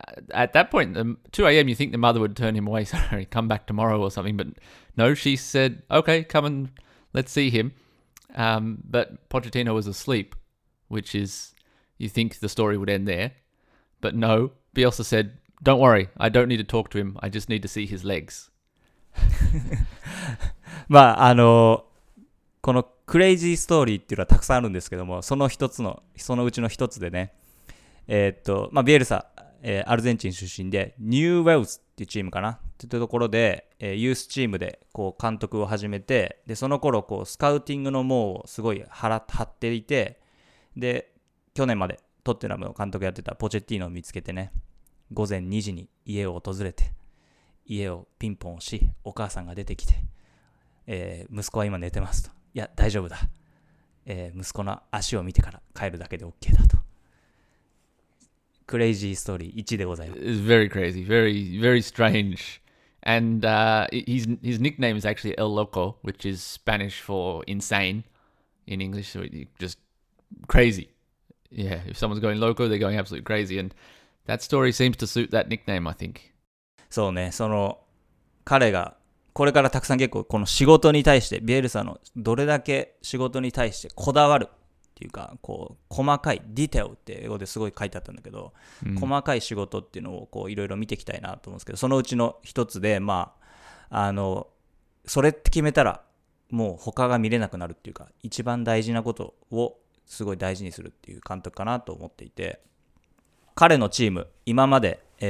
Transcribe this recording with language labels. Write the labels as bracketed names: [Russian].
[English] At that point, 2 a.m., you think the mother would turn him away, sorry, come back tomorrow or something. But no, she said, okay, come and let's see him. But Pochettino was asleep, which is, you think the story would end there. But no, Bielsa said, don't worry, I don't need to talk to him. I just need to see his legs. [Japanese] まあ、このクレイジーストーリーっていうのはたくさんあるんですけども、その一つの、そのうちの一つでね、まあ、ビエルサ、アルゼンチン出身でニューウェルズっていうチームかなっていうところで、ユースチームでこう監督を始めて、でその頃こうスカウティングの網をすごい張っていて、で去年までトッテナムの監督やってたポチェッティーノを見つけてね、午前2時に家を訪れて、家をピンポンし、お母さんが出てきて、息子は今寝てますと、いや大丈夫だ、息子の足を見てから帰るだけで OK だと。 [English] Crazy story 1 [Japanese] でございます。 [English] It's very crazy, very, very strange. And his nickname is actually El Loco, which is Spanish for insane. in English, so just crazy. Yeah, if someone's going loco, they're going absolutely crazy. And that story seems to suit that nickname, I think. [Japanese] そうね、その彼がこれからたくさん結構この仕事に対してビエルサのどれだけ仕事に対してこだわるっていうかこう細かいディテールって英語ですごい書いてあったんだけど、うん、細かい仕事っていうのをこういろいろ見ていきたいなと思うんですけど、そのうちの一つで、まあ、あのそれって決めたらもう他が見れなくなるっていうか、一番大事なことをすごい大事にするっていう監督かなと思っていて、彼のチーム今まで